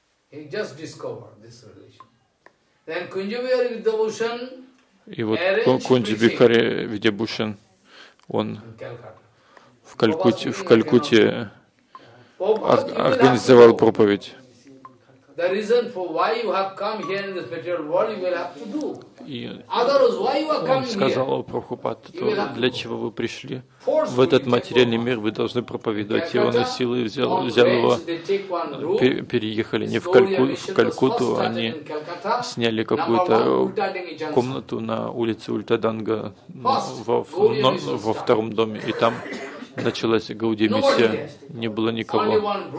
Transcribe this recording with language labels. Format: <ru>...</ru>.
<en>He just discovered this relation. Then Kunjabihari Vidyabhushan.</en> <ru>И вот Кунджабихари Видьябушан, он в Калькутте организовал проповедь.</ru> <en>The reason for why you have come here in this material world, you will have to do. Otherwise, why you are coming here?</en> <ru>Он сказал Прабхупаде, для чего вы пришли в этот материальный мир, вы должны проповедовать. И он из силы взял его, переехали не в Калькутту, они сняли какую-то комнату на улице Ультаданга во втором доме, и там началась Гауди-миссия, не было никого.</ru>